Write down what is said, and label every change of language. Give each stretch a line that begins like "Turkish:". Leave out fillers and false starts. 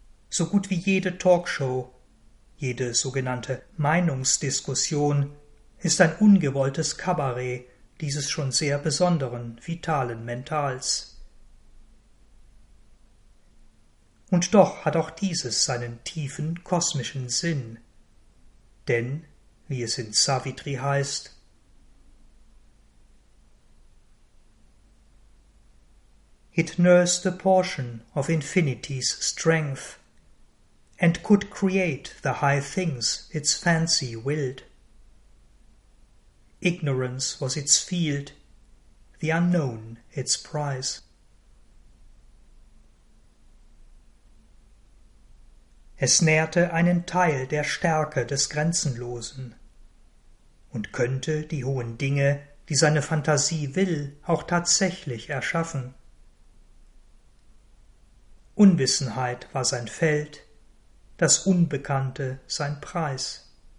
German: So gut wie jede Talkshow, jede sogenannte Meinungsdiskussion ist ein ungewolltes Kabarett dieses schon sehr besonderen vitalen Mentals. Und doch hat auch dieses seinen tiefen kosmischen Sinn. Denn, wie es in Savitri heißt,
English: it nursed a portion of infinity's strength, and could create the high things its fancy willed. Ignorance was its field, the unknown its prize.
German: Es nährte einen Teil der Stärke des Grenzenlosen und könnte die hohen Dinge, die seine Fantasie will, auch tatsächlich erschaffen. Unwissenheit war sein Feld, das Unbekannte sein Preis.